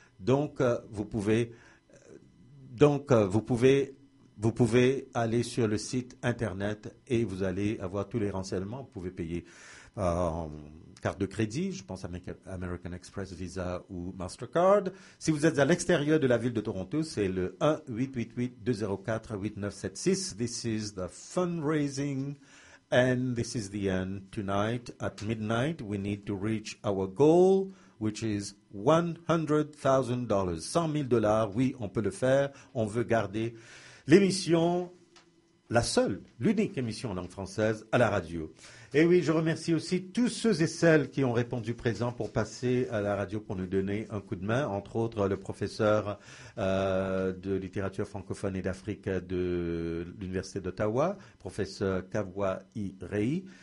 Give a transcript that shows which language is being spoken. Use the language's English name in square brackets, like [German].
[French] Donc vous pouvez aller sur le site internet et vous allez avoir tous les renseignements. Vous pouvez payer en carte de crédit, je pense à American Express, Visa ou Mastercard. Si vous êtes à l'extérieur de la ville de Toronto, c'est le 1-888-204-8976. [English] This is the fundraising. And this is the end. Tonight at midnight, we need to reach our goal, which is $100,000. [French] 100 000 dollars, oui, on peut le faire. On veut garder l'émission, la seule, l'unique émission en langue française à la radio. Et oui, je remercie aussi tous ceux et celles qui ont répondu présents pour passer à la radio pour nous donner un coup de main, entre autres le professeur de littérature francophone et d'Afrique de l'Université d'Ottawa, professeur Kavwa Irei,